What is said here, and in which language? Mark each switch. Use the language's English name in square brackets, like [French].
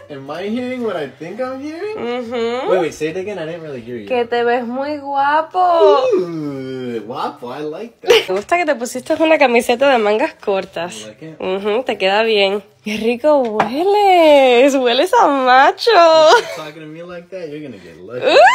[English] Am I hearing what I think I'm hearing? Mm-hmm. Wait, say it again. I didn't really hear you. [Spanish] Que te ves muy guapo. [English] Ooh, guapo. I like that. [Spanish] Me gusta que te pusiste una camiseta de mangas cortas. [English] I like it. [Spanish] Mm-hmm, te queda bien. Qué rico hueles. Hueles a macho. [English] You keep talking to me like that, you're going to get lucky.